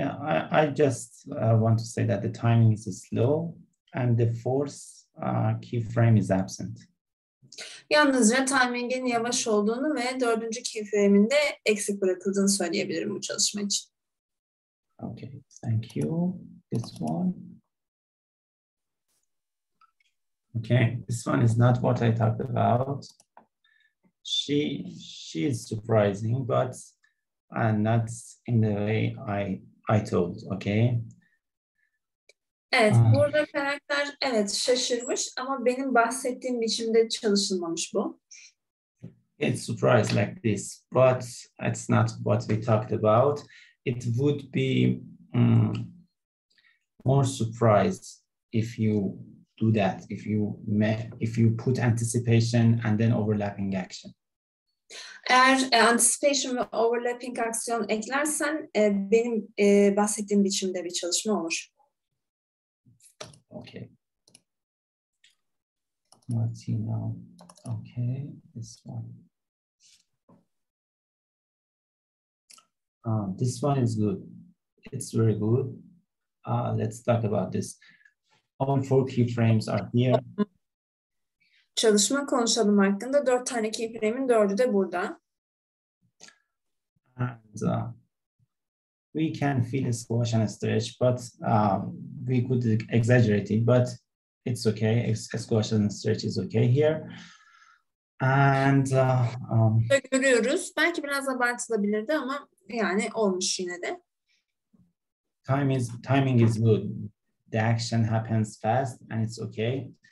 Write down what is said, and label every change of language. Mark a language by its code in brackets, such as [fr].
[en] I want to say that the timing is slow and the fourth keyframe is absent. [tr] Yalnızca timing'in yavaş olduğunu ve dördüncü keyframe'in de eksik bırakıldığını söyleyebilirim bu çalışma için. [en] Okay, thank you. This one. Okay, this one is not what I talked about. She is surprising, but and that's in the way I told, okay? [tr] Evet, burada karakter evet şaşırmış ama benim bahsettiğim biçimde çalışılmamış bu. [en] it's surprise like this, but it's not what we talked about. It would be more surprised if you do that, if you put anticipation and then overlapping action. [tr] Eğer anticipation ve overlapping aksiyon eklersen benim bahsettiğim biçimde bir çalışma olur. [en] Okay. Let's see now. Okay, this one. This one is good. It's very good. Let's talk about this. All four keyframes are here. [tr] Çalışma konuşalım hakkında. Dört tane keyframe'in dördü de burada. [en] And we can feel a squash and a stretch, but we could exaggerate it, but it's okay. A squash and a stretch is okay here. And [tr] görüyoruz. Belki biraz abartılabilirdi ama yani olmuş yine de. [en] Timing is good. The action happens fast and it's okay.